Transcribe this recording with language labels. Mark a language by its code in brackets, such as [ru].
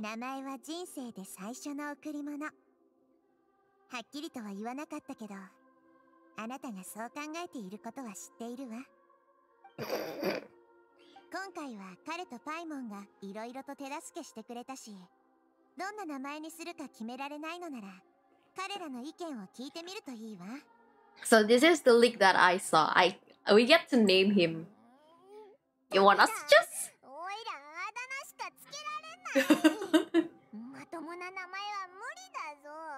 [ja] 名前は人生で最初の贈り物。はっきりとは言わなかったけど、あなたがそう考えていることは知っているわ。今回は彼とパイモンがいろいろと手助けしてくれたし、どんな名前にするか決められないのなら彼らの意見を聞いてみるといいわ。 [en] So this is the leak that I saw. We get to name him. You want us to just? [ja] おいらあだ名しかつけられない。まともな名前は無理だぞ。